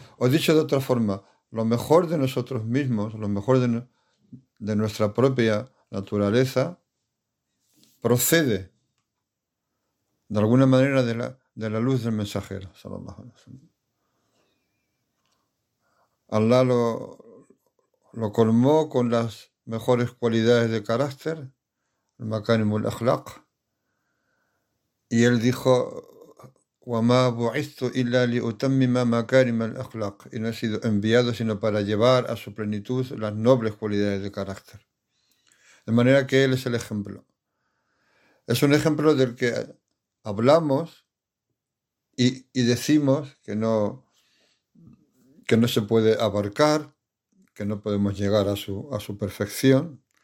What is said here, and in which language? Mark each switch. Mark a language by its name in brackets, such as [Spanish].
[Spanish] O dicho de otra forma, lo mejor de nosotros mismos, lo mejor de nuestra propia naturaleza, procede, de alguna manera, de la luz del mensajero. Allah lo colmó con las mejores cualidades de carácter, el makarim ul akhlaq. Y él dijo: [Arabic] وَمَا بُعِثْتُ إِلَّا لِأُتَمِّمَ مَكَارِمَ الْأَخْلَاقِ. [Spanish] Y no he sido enviado sino para llevar a su plenitud las nobles cualidades de carácter. De manera que él es el ejemplo. Es un ejemplo del que hablamos y decimos que no se puede abarcar, que no podemos llegar a su perfección.